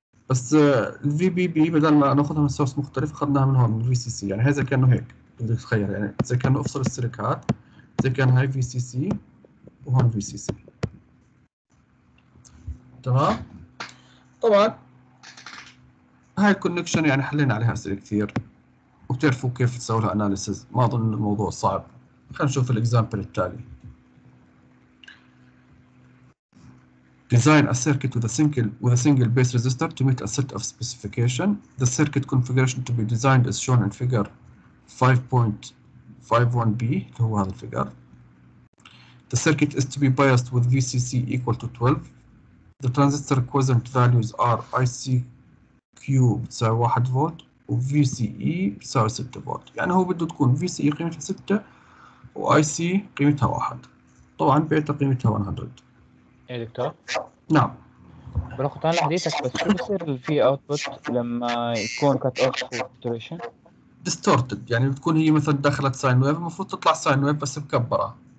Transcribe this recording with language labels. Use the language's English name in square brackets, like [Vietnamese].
[Arabic] بس الفي بي بي بدل ما ناخذها من سورس مختلف اخذناها من هون من الفي سي سي، يعني هي زي كانه هيك بدك تخيل، يعني زي كانه افصل السيليكات زي كان هاي في سي سي وهون في سي سي، تمام؟ طبعا هاي الكونكشن يعني حلينا عليها اسئله كثير وبتعرفوا كيف تسوي لها اناليسز، ما اظن الموضوع صعب. خلينا نشوف الاكزامبل التالي. [English] Design a circuit with a single base resistor to meet a set of specification. The circuit configuration to be designed is shown in figure 5.51b, [Arabic] اللي هو هذا الفيجر. [English] The circuit is to be biased with VCC equal to 12. The transistor quotient values are ICQ [Arabic] بتساوي 1 فولت [English] و VCE [Arabic] بتساوي 6 فولت. يعني هو بده تكون VCE قيمتها 6 و IC قيمتها 1. طبعا بيعطي قيمتها 100. ايه دكتور؟ نعم. بناخد على حديثك، بس شو بصير الفي اوتبوت لما يكون كت اوف ساتوريشن؟ ديستورتد، يعني بتكون هي مثلا دخلت ساين ويف المفروض تطلع ساين ويف بس مكبره.